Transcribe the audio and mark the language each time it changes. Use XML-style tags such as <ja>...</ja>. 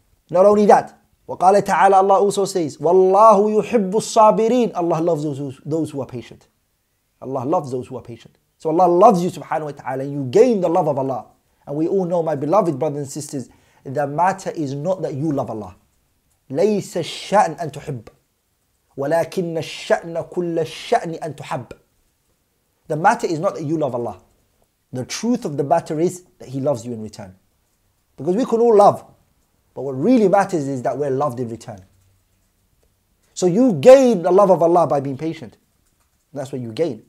<en>Not only that,</en> <ar>وقال تعالى,</ar> <en>Allah also says,</en> <ar>والله يحب الصابرين.</ar> <en>Allah loves those who are patient. Allah loves those who are patient. So Allah loves you, subhanahu wa ta'ala, and you gain the love of Allah. And we all know, my beloved brothers and sisters, the matter is not that you love Allah.</en> <ar>ليس الشأن أن تحب ولكن الشأن كل الشأن أن تحب.</ar> <en>The matter is not that you love Allah. The truth of the matter is that He loves you in return. Because we can all love, but what really matters is that we're loved in return. So you gain the love of Allah by being patient. That's what you gain.</en>